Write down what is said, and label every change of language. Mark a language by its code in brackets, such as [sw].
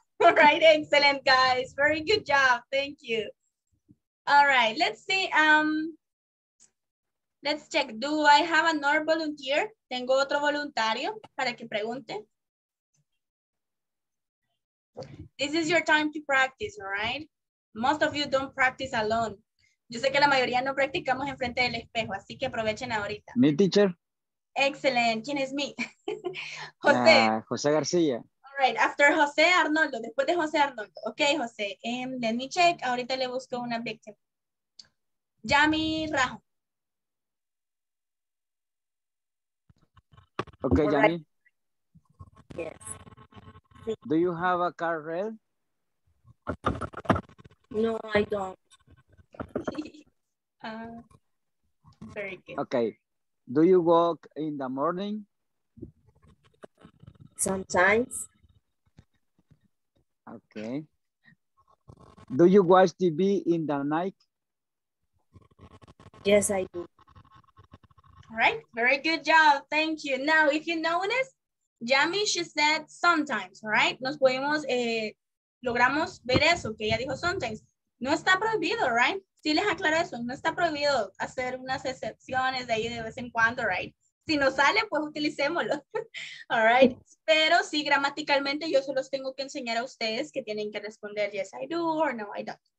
[en] All right, excellent, guys. Very good job, thank you. All right, let's see. Let's check. Do I have another volunteer? [es] ¿Tengo otro voluntario para que pregunte? [en] This is your time to practice, all right? Most of you don't practice alone. [es] Yo sé que la mayoría no practicamos en frente del espejo, así que aprovechen ahorita. [en] Me, teacher. [es] Excellent. ¿Quién es me? José. José García. [en] All right, after José Arnoldo, después de José Arnoldo. Okay, José. Let me check. [es] Ahorita le busco una [en] victim. Yami Rajo. Okay, right. Yami. Yes. Do you have a car, Red? No, I don't. Very good. Okay. Do you walk in the morning? Sometimes. Okay. Do you watch TV in the night? Yes, I do. All right, very good job, thank you. Now, if you notice, Yami, she said sometimes, right? [es] Nos podemos, logramos ver eso, que ella dijo sometimes. No está prohibido, right? Sí les aclaro eso, no está prohibido hacer unas excepciones de ahí de vez en cuando, right? Si no sale, pues utilicémoslo, all right? Pero sí, gramaticalmente yo se los tengo que enseñar a ustedes que tienen que responder [en] yes, I do, or no, I don't.